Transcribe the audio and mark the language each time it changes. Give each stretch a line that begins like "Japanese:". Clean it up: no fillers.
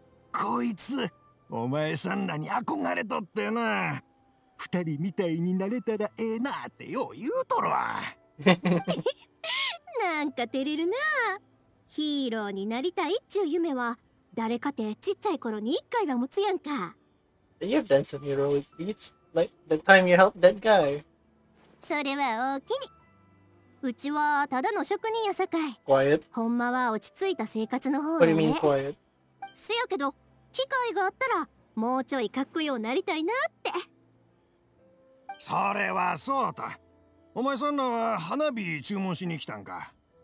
Japanese: こいつお前さんらに憧れとってな。二人みたいになれたらええなってよう言うとるわ。なんか照れるな。ヒーローになりたいっちゅう夢は誰かてちっちゃい頃に一回は持つやんか。
English: You've done some heroic deeds, like the time you helped that guy.
Japanese: それは大きに。うちはただの職人やさかい。
English: Quiet.
Japanese: ほんまは落ち着いた生活の方がね。
English: What do you mean quiet?
Japanese: せやけど、機会があったらもうちょいかっこよくなりたいなって。それはそうだ。お前さんらは花火注文しに来たんか。